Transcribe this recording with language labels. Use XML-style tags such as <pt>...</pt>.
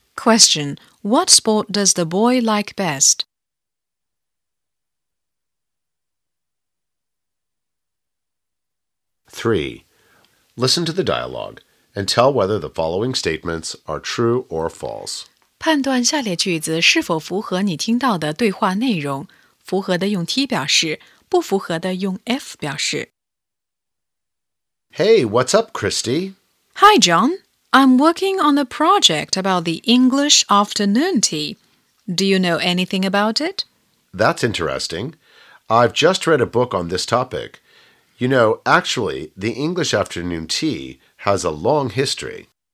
<en>Question. What sport does the boy like best? 3. Listen to the dialogue and tell whether the following statements are true or false.</en> <zh>判断下列句子是否符合你听到的对话内容。符合的用 T 表示，不符合的用 F 表示。</zh> <en>Hey, what's up, Christy? Hi, John. I'm working on a project about the English afternoon tea. Do you know anything about it? That's interesting. I've just read a book on this topic. You know, actually, the English afternoon tea has a long history.</en>